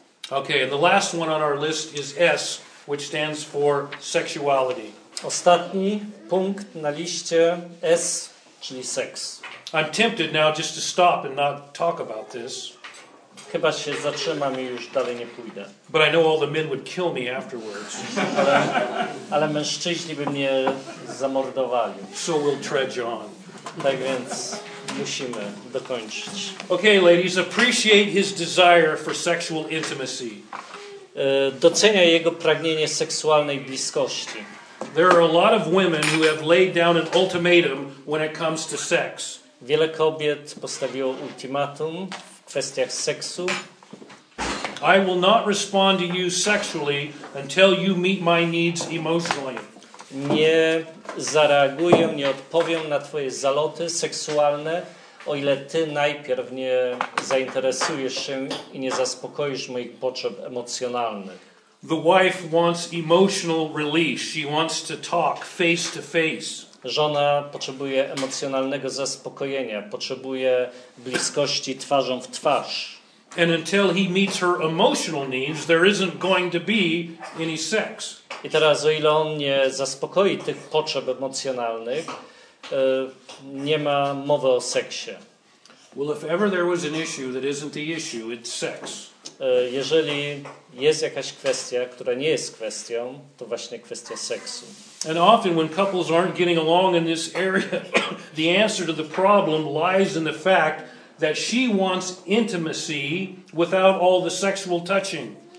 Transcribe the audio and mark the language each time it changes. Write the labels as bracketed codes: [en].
[en] Okay, and the last one on our list is S, which stands for sexuality. [pl] Ostatni punkt na liście S, czyli seks. [en] I'm tempted now just to stop and not talk about this. [pl] Chyba się zatrzymam i już dalej nie pójdę. [en] But I know all the men would kill me afterwards. [pl] Ale mężczyźni by mnie zamordowali. [en] So we'll trudge on. [pl] Tak więc musimy dokończyć. [en] Okay, ladies, appreciate his desire for sexual intimacy. [pl] Doceniaj jego pragnienie seksualnej bliskości. [en] There are a lot of women who have laid down an ultimatum when it comes to sex. [pl] Wiele kobiet postawiło ultimatum. Kwestiach seksu. [en] I will not respond to you sexually until you meet my needs emotionally. [pl] Nie zareaguję, nie odpowiem na twoje zaloty seksualne, o ile ty najpierw nie zainteresujesz się i nie zaspokoisz moich potrzeb emocjonalnych. [en] The wife wants emotional release. She wants to talk face to face. [pl] Żona potrzebuje emocjonalnego zaspokojenia, potrzebuje bliskości twarzą w twarz. [en] And until he meets her emotional needs, there isn't going to be any sex. [pl] I teraz, o ile on nie zaspokoi tych potrzeb emocjonalnych, nie ma mowy o seksie. [en] Well, if ever there was an issue that isn't the issue, it's sex. [pl] Jeżeli jest jakaś kwestia, która nie jest kwestią, to właśnie kwestia seksu. [en] And often when couples aren't getting along in this area, the answer to the problem lies in the fact that she wants intimacy without all the sexual touching.